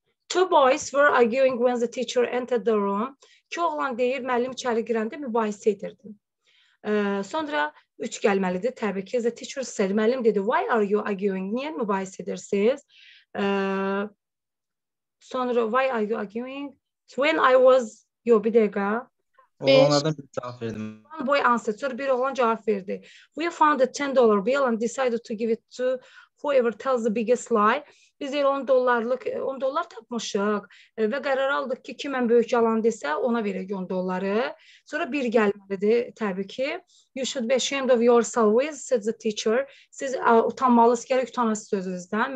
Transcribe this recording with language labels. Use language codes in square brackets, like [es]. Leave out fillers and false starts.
[en] Two boys were arguing when the teacher entered the room. [az] İki oğlan deyir, müəllim içəri girəndə mübahisə edirdi. Sonra üç gəlməlidir, təbii ki. [en] The teacher said, [az] müəllim dedi, [en] why are you arguing? [az] Niyə mübahisə edirsiniz? [en] Sonra, why are you arguing? When I was, yo, [az] bir dəqiqə. Oğlanlardan bir cavab verdim. [en] One boy answered. [az] Sonra bir oğlan cavab verdi. [en] We found a $10 bill and decided to give it to whoever tells the biggest lie. [az] Biz 10 dollar tapmışıq və qərar aldıq ki, kim ən böyük yalan desə, ona verək 10 dolları. Sonra bir gəlməlidir, təbii ki. [en] You should be ashamed of yourself, said the teacher. [az] Siz utanmalısınız, gərək utanasınız sözünüzdən.